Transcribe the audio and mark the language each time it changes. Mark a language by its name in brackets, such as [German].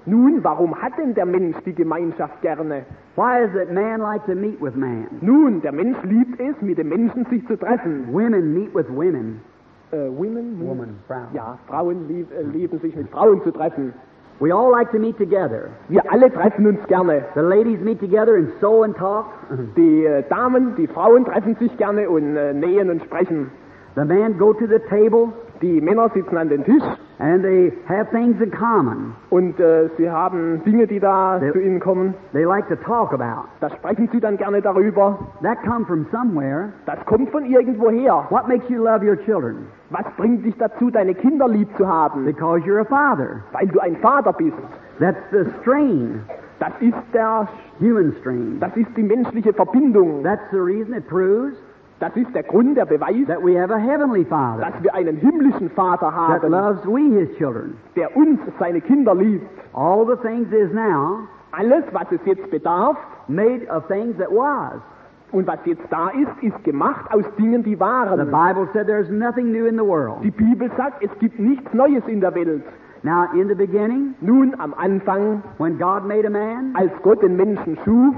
[German] Nun, warum hat denn der Mensch die Gemeinschaft gerne? [English] Why is it man like to meet with man? [German] Nun, der Mensch liebt es, mit den Menschen sich zu treffen. [English] Women meet with women. Women. [German] Frauen. Ja, Frauen lieben sich mit Frauen zu treffen. [English] We all like to meet together. [German] Wir alle treffen uns gerne. [English] The ladies meet together and sew and talk. [German] Die Frauen treffen sich gerne und nähen und sprechen. [English] The men go to the table. [German] Die Männer sitzen an den Tisch. [English] And they have things in common. [German] Und sie haben Dinge, die da zu ihnen kommen. [English] They like to talk about. [German] Das sprechen sie dann gerne darüber. [English] That come from somewhere. [German] Das kommt von irgendwoher. [English] What makes you love your children? [German] Was bringt dich dazu, deine Kinder lieb zu haben? [English] Because you're a father. [German] Weil du ein Vater bist. [English] That's the strain. [German] Das ist der [English] human strain. [German] Das ist die menschliche Verbindung. [English] That's the reason it proves. [German] Das ist der Grund, der Beweis, [English] that we have a heavenly father, [German] dass wir einen himmlischen Vater haben, [English] that loves we his children, [German] der uns seine Kinder liebt. [English] All the things is now, [German] alles was es jetzt bedarf, [English] made of things that was, [German] und was jetzt da ist, ist gemacht aus Dingen, die waren. [English] The Bible said there's nothing new in the world. [German] Die Bibel sagt, es gibt nichts Neues in der Welt. [English] Now in the beginning, [German] nun am Anfang, [English] when God made a man, [German] als Gott den Menschen schuf,